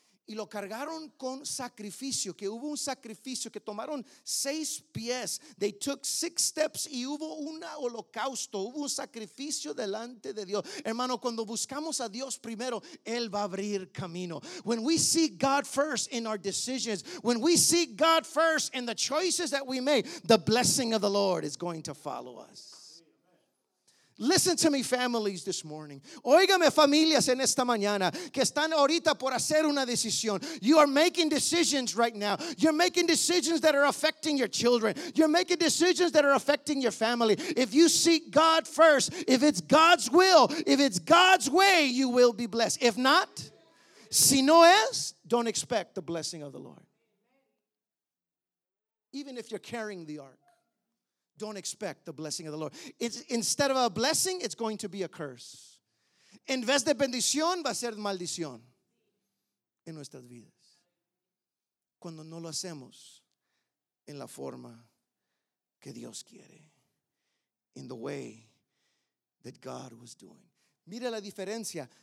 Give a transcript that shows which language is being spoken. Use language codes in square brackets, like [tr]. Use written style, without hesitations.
[es] Y lo cargaron con sacrificio, que hubo un sacrificio, que tomaron 6 pies. [en] They took 6 steps [es] y hubo un holocausto, hubo un sacrificio delante de Dios. Hermano, cuando buscamos a Dios primero, Él va a abrir camino. [en] When we seek God first in our decisions, when we seek God first in the choices that we make, the blessing of the Lord is going to follow us. Listen to me, families, this morning. [es] Óigame, familias, en esta mañana que están ahorita por hacer una decisión. [en] You are making decisions right now. You're making decisions that are affecting your children. You're making decisions that are affecting your family. If you seek God first, if it's God's will, if it's God's way, you will be blessed. If not, [es] si no es, [en] don't expect the blessing of the Lord. Even if you're carrying the ark, don't expect the blessing of the Lord. Instead of a blessing, it's going to be a curse. [es] En vez de bendición, va a ser maldición en nuestras vidas. Cuando no lo hacemos en la forma que Dios quiere. [en] In the way that God was doing. [es] Mira la diferencia.